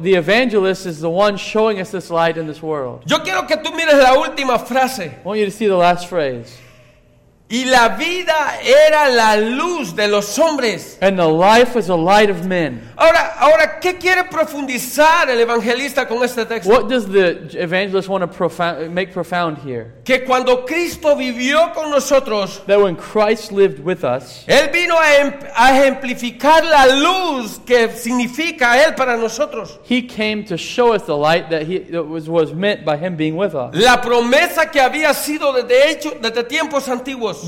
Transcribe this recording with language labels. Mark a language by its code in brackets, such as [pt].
[en] The evangelist is the one showing us this light in this world. [es] Yo quiero que tú mires la última frase. [en] I want you to see the last phrase. [es] Y la vida era la luz de los hombres. [en] And the life was the light of men. [es] Ahora, ¿qué quiere profundizar el evangelista con este texto? [en] What does the evangelist want to make profound here? [es] Que cuando Cristo vivió con nosotros, [en] that when Christ lived with us, [es] Él vino a ejemplificar la luz que significa Él para nosotros. [en] He came to show us the light that was meant by Him being with us. [es] La promesa que había sido desde tiempos antiguos.